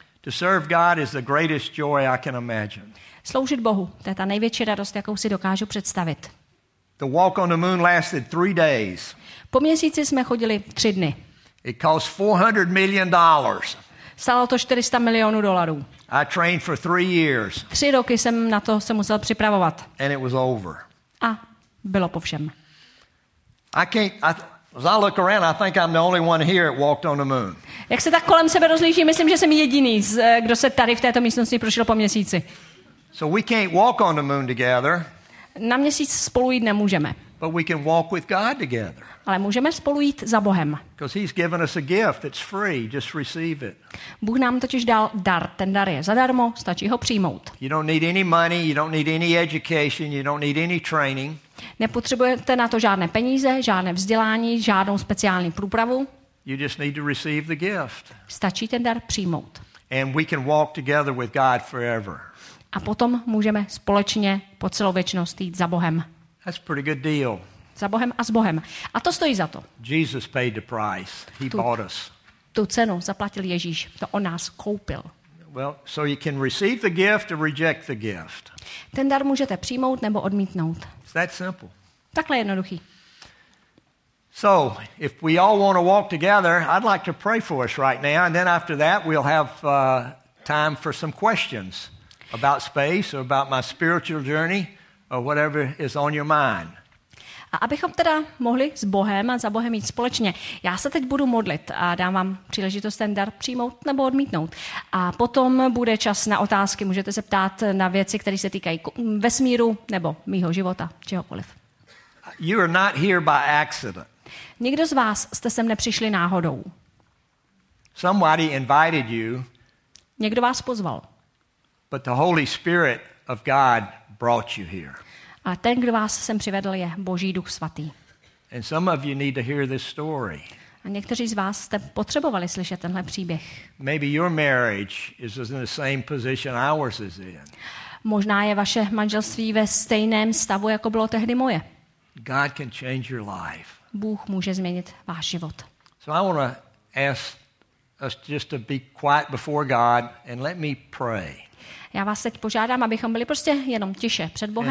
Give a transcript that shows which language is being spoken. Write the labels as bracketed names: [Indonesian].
[English] To serve God is the greatest joy I can imagine. [Czech] Sloužit Bohu, to je ta největší radost, jakou si dokážu představit. [English] The walk on the moon lasted 3 days. [Czech] Po měsíci jsme chodili 3 dny. [English] It cost $400 million. [Czech] Stalo to 400 milionů dolarů. [English] I trained for 3 years. [Czech] 3 roky jsem na to se musel připravovat. [English] And it was over. [Czech] A bylo po všem. [English] As I look around, I think I'm the only one here that walked on the moon. [Czech] Jak se tak kolem sebe rozlížím, myslím, že jsem jediný, kdo se tady v této místnosti prošel po měsíci. [English] So we can't walk on the moon together. [Czech] Na měsíc spolu jít nemůžeme. [English] But we can walk with God together. [Czech] Ale můžeme spolu jít za Bohem. [English] Because he's given us a gift, it's free, just receive it. [Czech] Bůh nám totiž dal dar, ten dar je zadarmo, stačí ho přijmout. [English] You don't need any money, you don't need any education, you don't need any training. [Czech] Nepotřebujete na to žádné peníze, žádné vzdělání, žádnou speciální průpravu. [English] You just need to receive the gift. [Czech] Stačí ten dar přijmout. [English] And we can walk together with God forever. [Czech] A potom můžeme společně po celou věčnost jít za Bohem. [English] That's pretty good deal. [Czech] Za Bohem a s Bohem. A to stojí za to. [English] Jesus paid the price. He bought us. [Czech] Tu cenu zaplatil Ježíš. To on nás koupil. [English] Well, so you can receive the gift or reject the gift. [Czech] Ten dar můžete přijmout nebo odmítnout. [English] It's that simple. [Czech] Takhle jednoduchý. [English] So, if we all want to walk together, I'd like to pray for us right now, and then after that we'll have time for some questions. About space or about my spiritual journey or whatever is on your mind. [Czech] A abychom teda mohli s Bohem a za Bohem jít společně, já se teď budu modlit a dám vám příležitost ten dar přijmout nebo odmítnout. A potom bude čas na otázky, můžete se ptát na věci, které se týkají vesmíru nebo mýho života, čehokoliv. [English] You are not here by accident. [Czech] Nikdo z vás jste sem nepřišli náhodou. [English] Somebody invited you. [Czech] Někdo vás pozval. [English] But the Holy Spirit of God brought you here. [Czech] A ten, kdo vás sem přivedl, je Boží Duch svatý. [English] And some of you need to hear this story. [Czech] A někteří z vás jste potřebovali slyšet tenhle příběh. [English] Maybe your marriage is in the same position ours is in. [Czech] Možná je vaše manželství ve stejném stavu, jako bylo tehdy moje. [English] God can change your life. [Czech] Bůh může změnit váš život. [English] So I want to ask us just to be quiet before God and let me pray. [Czech] Já vás teď požádám, abychom byli prostě jenom tiše před Bohem.